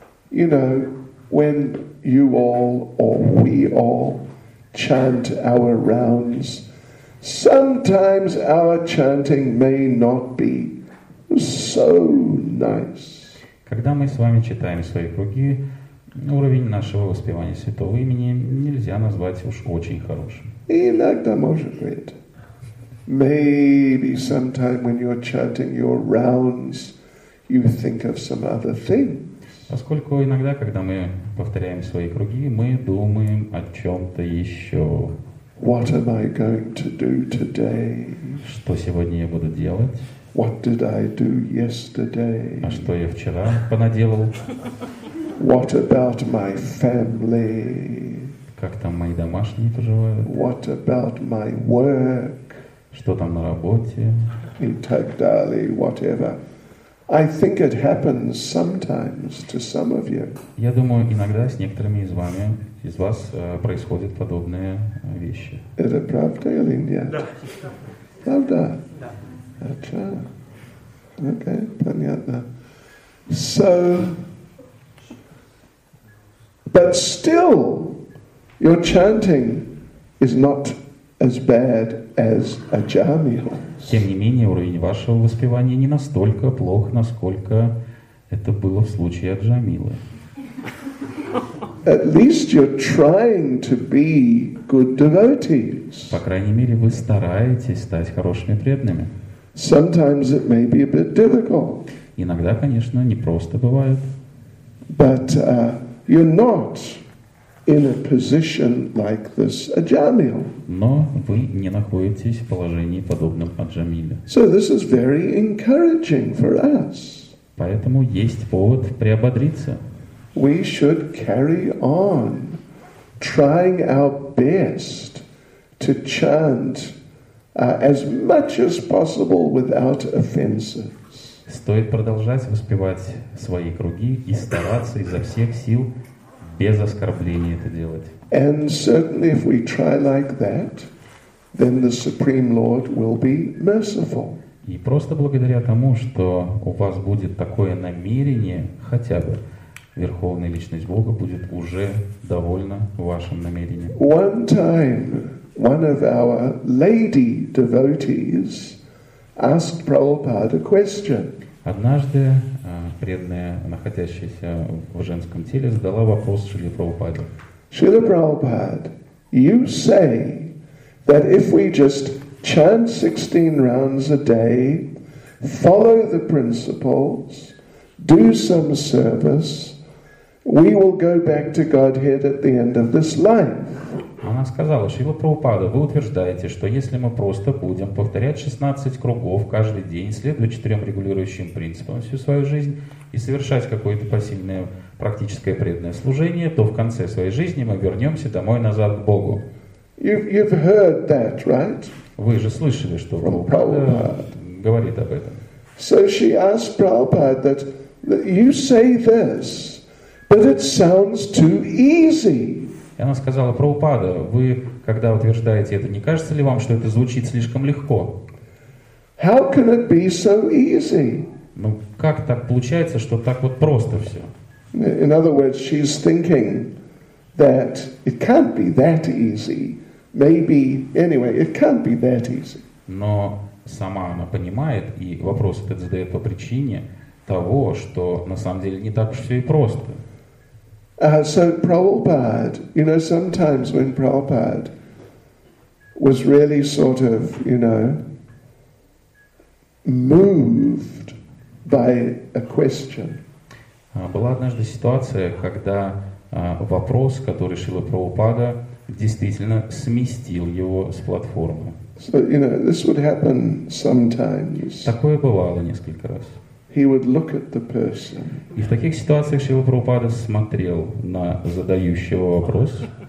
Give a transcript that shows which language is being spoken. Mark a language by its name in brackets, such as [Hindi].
[English] You know, when you all or we all chant our rounds, sometimes our chanting may not be so nice. [Russian] Когда мы с вами читаем свои круги, уровень нашего воспевания святого имени нельзя назвать уж очень хорошим. Иногда может быть. [English] Maybe sometime when you're chanting your rounds, you think of some other thing. [Russian] Поскольку иногда, когда мы повторяем свои круги, мы думаем о чем-то еще. [English] What am I going to do today? [Russian] Что сегодня я буду делать? [English] What did I do yesterday? [Russian] А что я вчера понаделал? [English] What about my family? [Russian] Как там мои домашние поживают? [English] What about my work? [Russian] Что там на работе? И так далее, [English] whatever. I think it happens sometimes to some of you. [Russian] Я думаю, иногда с некоторыми из вами, из вас происходят подобные вещи. Это правда или нет? Да. Правда? Да. Ача. Окей, понятно. [English] So, but still, your chanting is not as bad as a jamil. [Russian] Тем не менее, уровень вашего воспевания не настолько плох, насколько это было в случае Аджамилы. [English] At least you're trying to be good devotees. [Russian] По крайней мере, вы стараетесь стать хорошими преданными. [English] Sometimes it may be a bit difficult. [Russian] Иногда, конечно, непросто бывает. [English] But you're not in a position like this Аджамил. [Russian] Но вы не находитесь в положении подобном Аджамиле. [English] So this is very encouraging for us. [Russian] Поэтому есть повод приободриться. [English] We should carry on trying our best to chant as much as possible without offenses. [Russian] Стоит продолжать воспевать свои круги и стараться изо всех сил без оскорблений это делать. [English] And certainly if we try like that, then the Supreme Lord will be merciful. [Russian] И просто благодаря тому, что у вас будет такое намерение хотя бы, Верховная Личность Бога будет уже довольна вашим намерением. [English] One time, one of our lady devotees asked Prabhupada a question. [Russian] Однажды преданная, находящаяся в женском теле, задала вопрос Шриле Прабхупаде. [English] Шрила Прабхупада, you say that if we just chant 16 rounds a day, follow the principles, do some service, we will go back to Godhead at the end of this life. [Russian] Она сказала, Шрила Прабхупада, вы утверждаете, что если мы просто будем повторять 16 кругов каждый день, следуя четырем регулирующим принципам всю свою жизнь и совершать какое-то посильное практическое преданное служение, то в конце своей жизни мы вернемся домой назад к Богу. [English] You've heard that, right? [Russian] Вы же слышали, что Прабхупада говорит об этом. [English] So she asked Prabhupada that you say this, but it sounds too easy. [Russian] И она сказала, Прабхупада, вы, когда утверждаете это, не кажется ли вам, что это звучит слишком легко? [English] How can it be so easy? [Russian] Ну, как так получается, что так вот просто все? [English] In other words, she's thinking that it can't be that easy. Maybe, anyway, it can't be that easy. [Russian] Но сама она понимает, и вопрос этот задает по причине того, что на самом деле не так уж все и просто. [English] So Prabhupada, you know, sometimes when Prabhupada was really sort of, you know, moved by a question. [Russian] Была однажды ситуация, когда вопрос, который Шрила Прабхупада, действительно сместил его с платформы. [English] So, you know, this would happen sometimes. [Russian] Такое бывало несколько раз. [English] He would look at the person. [Russian] И в таких ситуациях Шрила Прабхупада смотрел на задающего вопрос.